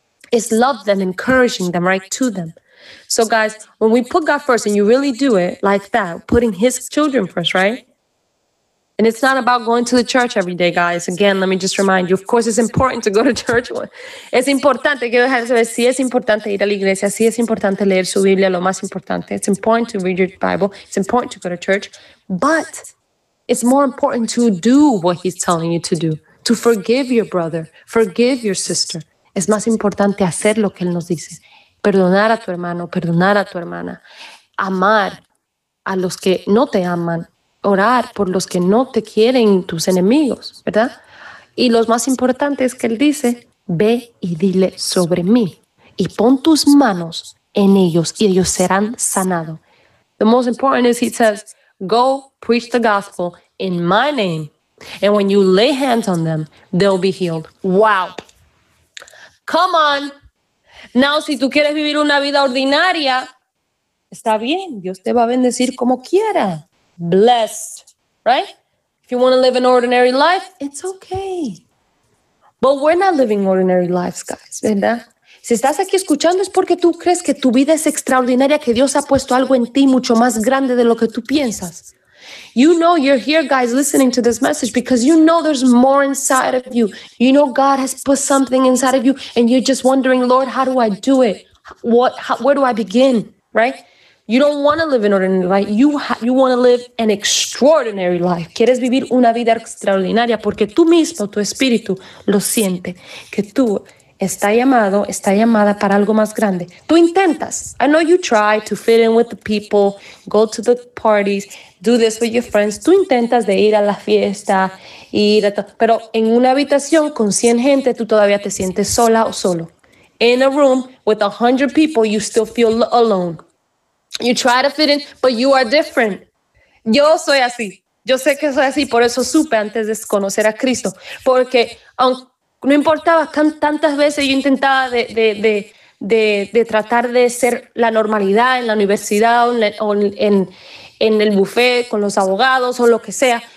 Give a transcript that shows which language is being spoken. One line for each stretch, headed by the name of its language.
English: It's love them, encouraging them, right, to them. So guys, when we put God first and you really do it like that, putting His children first, right? And it's not about going to the church every day, guys. Again, let me just remind you, of course, it's important to go to church.
Spanish: Es importante, quiero dejar de saber, sí es importante ir a la iglesia, sí es importante leer su Biblia, lo más importante.
English: It's important to read your Bible. It's important to go to church. But it's more important to do what He's telling you to do, to forgive your brother, forgive your sister.
Spanish: Es más importante hacer lo que Él nos dice. Perdonar a tu hermano, perdonar a tu hermana. Amar a los que no te aman. Orar por los que no te quieren, tus enemigos, ¿verdad? Y lo más importante es que Él dice, ve y dile sobre mí. Y pon tus manos en ellos y ellos serán sanados.
English: The most important is He says, go preach the gospel in my name. And when you lay hands on them, they'll be healed. Wow. Come on. Now,
Spanish: si tú quieres vivir una vida ordinaria, está bien. Dios te va a bendecir como quiera.
English: Blessed, right? If you want to live an ordinary life, it's okay. But we're not living ordinary lives, guys.
Spanish: ¿Verdad? Si estás aquí escuchando es porque tú crees que tu vida es extraordinaria, que Dios ha puesto algo en ti mucho más grande de lo que tú piensas.
English: You know you're here, guys, listening to this message because you know there's more inside of you. You know God has put something inside of you and you're just wondering, Lord, how do I do it? Where do I begin, right? You don't want to live an ordinary life. You want to live an extraordinary life.
Spanish: Quieres vivir una vida extraordinaria porque tú mismo, tu espíritu, lo siente que tú está llamado, está llamada para algo más grande. Tú intentas.
English: I know you try to fit in with the people, go to the parties, do this with your friends.
Spanish: Tú intentas de ir a la fiesta, ir a pero en una habitación con 100 gente, tú todavía te sientes sola o solo.
English: In a room with 100 people, you still feel alone. You try to fit in, but you are different.
Spanish: Yo soy así. Yo sé que soy así, por eso supe antes de conocer a Cristo. Porque no importaba tantas veces yo intentaba de tratar de ser la normalidad en la universidad o en el buffet con los abogados o lo que sea.